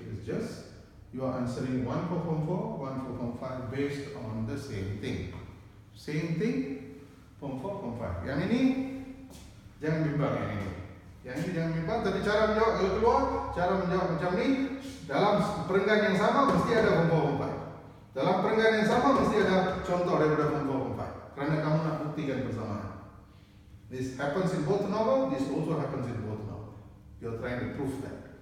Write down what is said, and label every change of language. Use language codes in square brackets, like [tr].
[en] It's just you are answering one for form 4, one for form 5 based on the same thing. Same thing, form 4, form 5. [ms] Yang ini jangan bimbang yang ini. Yang ini jangan bimbang, tapi cara menjawab kalau keluar, cara menjawab macam ni, dalam peringkat yang sama mesti ada form 4, form 5. Dalam peringkat yang sama mesti ada contoh daripada form 4, form 5. Kerana kamu nak buktikan bersama. [en] This happens in both novel, this also happens in both novel. You're trying to prove that.